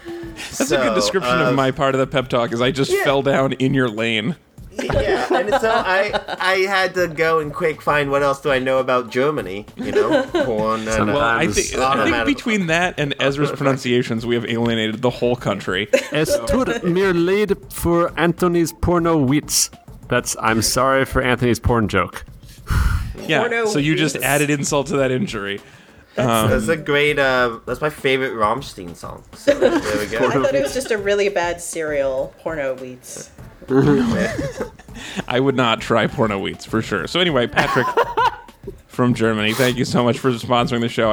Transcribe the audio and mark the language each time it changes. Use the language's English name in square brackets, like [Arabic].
[English] That's a good description of my part of the pep talk, is I just fell down in your lane. Yeah, and so I had to go and quick find what else do I know about Germany, you know, porn and... I think between that and Ezra's pronunciations, we have alienated the whole country. [German] Es tut mir leid für Anthony's porno witz. [English] That's, I'm sorry for Anthony's porn joke. Yeah, so you just added insult to that injury. That's a great, that's my favorite Rammstein song. So there we go. I thought it was just a really bad cereal, Porno Wheats. I would not try Porno Wheats, for sure. So anyway, Patrick from Germany, thank you so much for sponsoring the show.